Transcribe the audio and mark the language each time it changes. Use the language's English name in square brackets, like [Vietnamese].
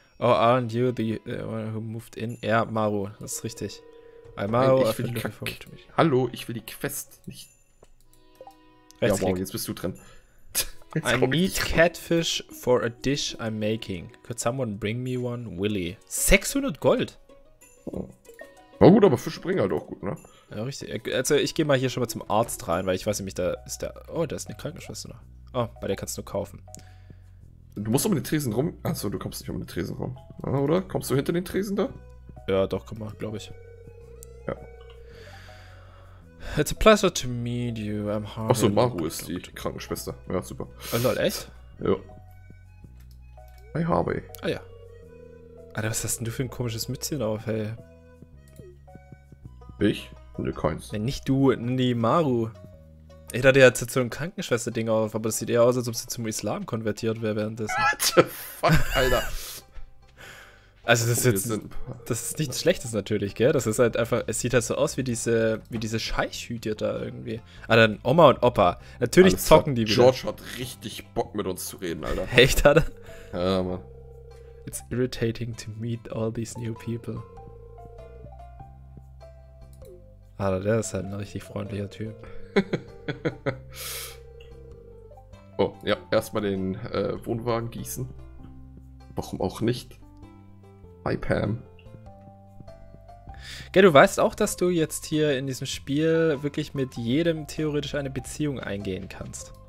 [English] Oh, aren't you the one who moved in? [German] Ja, Maru, das ist richtig. Maru, ich will die Quest. Hallo, ich will die Quest nicht. Rechtsklick. Ja, wow, jetzt bist du drin. [English] I need catfish for a dish I'm making. Could someone bring me one, Willy? 600 Gold. Oh. [German] Na gut, aber Fische bringen halt auch gut, ne? Ja, richtig. Also, ich gehe mal hier schon mal zum Arzt rein, weil ich weiß nämlich, da ist der... Oh, da ist eine Krankenschwester noch. Oh, bei der kannst du nur kaufen. Du musst um den Tresen rum... Achso, du kommst nicht um den Tresen rum. Oder? Kommst du hinter den Tresen da? Ja, doch, komm mal, glaube ich. Ja. [English] It's a pleasure to meet you. I'm [German] hard. Achso, Maru ist die Krankenschwester. Ja, super. Oh, lol, echt? Ja. Hi, Harvey. Ah, ja. Alter, was hast denn du für ein komisches Mützchen auf, hey? Ich? Ne Coins. Nee, nicht du, Nini Maru. Ich dachte, der hat so ein Krankenschwester-Ding auf, aber das sieht eher aus, als ob sie zum Islam konvertiert wäre währenddessen. [English] What the fuck, Alter? [German] Also das ist jetzt, das ist nichts Schlechtes natürlich, gell? Das ist halt einfach, es sieht halt so aus wie diese Scheichhüte da irgendwie. Ah, dann Oma und Opa. Natürlich also, zocken die wieder. George hat richtig Bock mit uns zu reden, Alter. Echt, Alter? Ja, Mann. [English] It's irritating to meet all these new people. [German] Alter, der ist halt ein richtig freundlicher Typ. Oh, ja, erstmal den Wohnwagen gießen. Warum auch nicht? Hi Pam. Gell, du weißt auch, dass du jetzt hier in diesem Spiel wirklich mit jedem theoretisch eine Beziehung eingehen kannst.